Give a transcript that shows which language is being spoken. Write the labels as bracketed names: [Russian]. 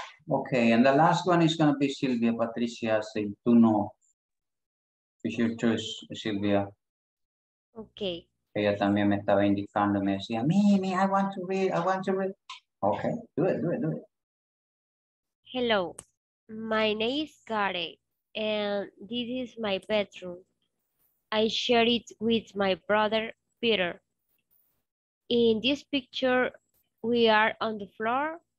[English] Okay, and the last one is gonna be Sylvia Patricia, say to know. It's your choice, Sylvia. Okay. [Spanish] Ella también me estaba indicando, me decía, Mimi, [English] I want to read. Okay, do it. Hello, my name is Gary, and this is my bedroom. I share it with my brother, Peter. In this picture, we are on the floor.